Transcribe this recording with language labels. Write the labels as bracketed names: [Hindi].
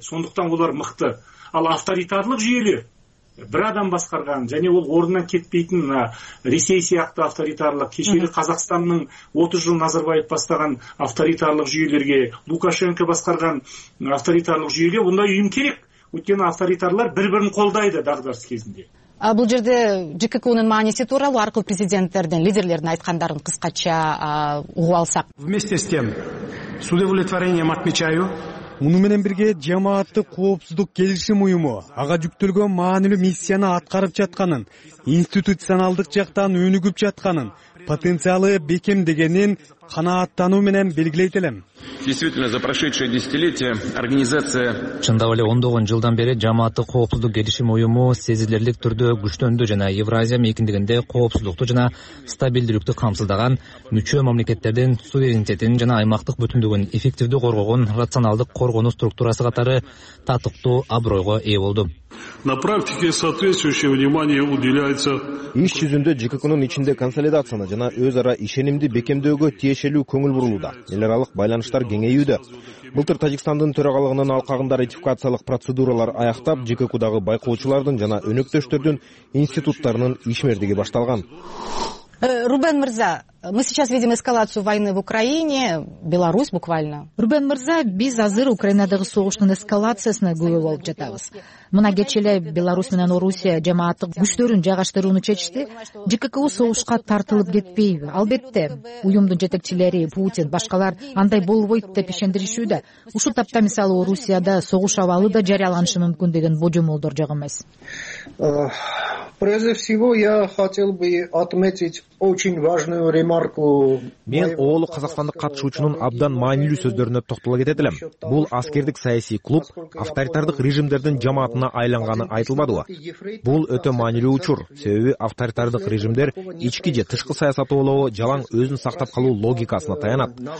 [Kazakh] Сондықтан олар мықты. Ал авторитарлық жүйелер бір адам басқарған және ол орнынан кетпейтін Ресей сияқты авторитарлық, кешегі Қазақстанның 30 жыл Назарбаев бастаған авторитарлық жүйелерге, Лукашенко басқарған авторитарлық жүйеге ондай ұйым керек. Өйткені авторитарлар бір-бірін қолдайды дағдарыс кезінде. Бұл жерде ЖКК-ның маңызы туралы арқылы президенттердің, лидерлердің айтқандарын қысқаша ұғып алсақ. [Russian] Вместе с тем, с удовлетворением отмечаю. [Kyrgyz] Муну менен бирге жамааттык коопсуздук келишим уюму ага жүктөлгөн маанилүү миссияны аткарып жатканын, институционалдык жактан өнүгүп жатканын, потенциалы бекемдегенин канааттануу менен белгилейт элем. [Russian] Действительно, за прошедшие десятилетия организация [Kyrgyz] чындап эле ондогон жылдан бери жамааттык коопсуздук келишим уюму сезилерлик түрдө күчтөндү жана Евразия мекиндигинде коопсуздукту жана стабилдүүлүктү камсыздаган мүчө мамлекеттердин суверенитетин жана аймактык бүтүндүгүн эффективдүү коргогон рационалдык коргоонуу структурасы катары татыктуу абройго ээ болду. [Russian] На практике соответствующее внимание уделяется [Kyrgyz] иш жүзүндө ЖКК-нын ичинде консолидацияны жана өз ара ишенимди бекемдөөгө тиешелүү көңүл бурулууда. Эл аралык байланыштар кеңейүүдө. Былтыр Тажикстандын төрагалыгынын алкагында ратификациялык процедуралар аяктап, ЖКК-дагы байкоочулардын жана өнөктөштөрдүн институттарынын ишмердиги башталган. [Russian] Рубен Мырза, мы сейчас видим эскалацию войны в Украине, Беларусь буквально. [Kyrgyz] Рубен Мырза, биз азыр Украинадагы согуштун эскалациясына күбө болуп жатабыз. Мына кече эле Беларусь менен Орусия жамааттык күчтөрүн жайгаштырууну чечишти. ЖККУ согушка тартылып кетпейби? Албетте, уюмдун жетекчилери, Путин, башкалар андай болбойт деп ишендиришүүдө. Ушул тапта мисалы Орусияда согуш абалы да жарыяланышы мүмкүн деген божомолдор жок эмес. [Russian] Прежде всего, я хотел бы отметить очень важную ремарку. [Kyrgyz] Мен оолу казакстандык катышуучунун абдан маанилүү сөздөрүнө токтоло кетет элем. Бул аскердик саясий клуб авторитардык режимдердин жамаатына айланганы айтылбадыбы? Бул өтө маанилүү учур. Себеби авторитардык режимдер ички же тышкы саясат ойлоо жалаң өзүн сактап калуу логикасына таянат.